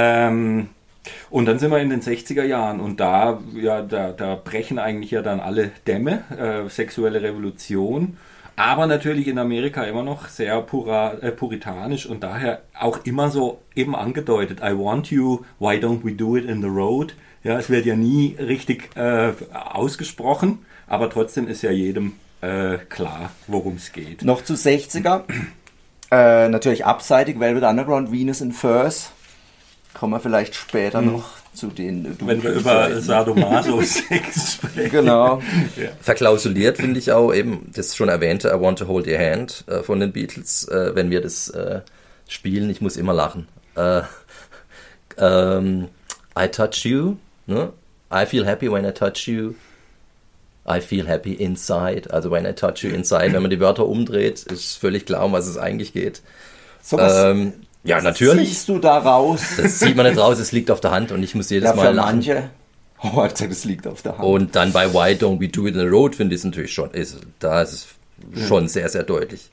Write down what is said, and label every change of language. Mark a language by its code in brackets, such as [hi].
[de] Und dann sind wir in den 60er Jahren und da brechen eigentlich ja dann alle Dämme, sexuelle Revolution. Aber natürlich in Amerika immer noch sehr puritanisch und daher auch immer so eben angedeutet. [en] I want you, why don't we do it in the road? [de] Ja, es wird ja nie richtig ausgesprochen, aber trotzdem ist ja jedem klar, worum es geht. Noch zu 60er, natürlich abseitig, Velvet Underground, Venus in Furs. Kommen wir vielleicht später noch zu den... Wenn wir über Sadomaso-Sex sprechen. Genau. Ja. Verklausuliert finde ich auch eben das schon erwähnte I Want to Hold Your Hand von den Beatles. Wenn wir das spielen, ich muss immer lachen. [en] I touch you. Ne? I feel happy when I touch you. I feel happy inside. Also when I touch you inside. [de] Wenn man die Wörter umdreht, ist völlig klar, um was es eigentlich geht. So was ja, natürlich. Siehst du da raus? Das sieht man nicht raus, es liegt auf der Hand und ich muss jedes Mal lachen. Manche. Oh, ich sag, es liegt auf der Hand. Und dann bei Why Don't We Do It in the Road finde ich es natürlich schon, da ist es schon sehr, sehr deutlich.